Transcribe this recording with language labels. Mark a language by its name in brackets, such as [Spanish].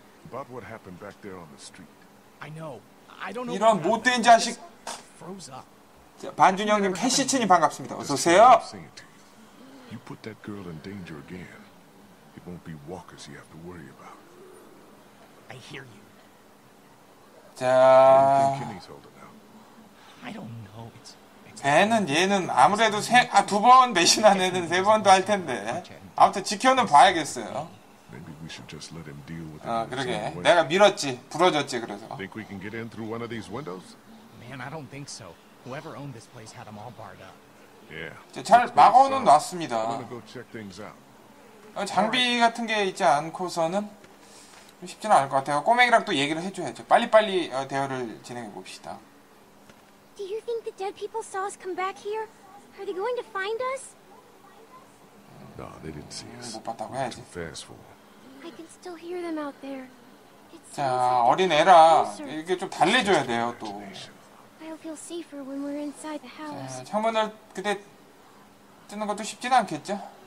[English] But what happened back there on the street? I know. I don't know. [Korean] 이런 못된 자식. 자, 반준영님 캐시츠니 반갑습니다. 어서 오세요. [English] You put that girl in danger again. It won't be walkers you have to worry about. I hear you. [Korean] 자. [English] I don't know. It's [Korean] 애는 얘는 아무래도 두 번 배신한 애는 세 번도 할 텐데. 아무튼 지켜는 봐야겠어요. [English] Maybe we should just let him deal with [Korean] it. 아, 그러게. 내가 밀었지. 부러졌지, 그래서. [English] Think we can get in through one of these windows? Man, I don't think so. Whoever owned this place had them all barred up. Yeah. [Korean] 자, 잘 막아놓은 놨습니다. [English] I'm gonna go check things out. [Korean] 장비 같은 게 있지 않고서는 쉽지는 않을 것 같아요. 꼬맹이랑 또 얘기를 해줘야죠. 빨리빨리 대화를 진행해 봅시다. [English] Do you think the dead people saw us come back here? Are they going to find us? No, they didn't see us. [Korean] 못 봤다고 해야지. [English] I can still hear them out there. [Korean] 자, 어린 애라 이게 좀 달래줘야 돼요 또. [English] I'll feel safer when we're inside the house. [Korean] 자, 창문을 그대 뜨는 것도 쉽진 않겠죠?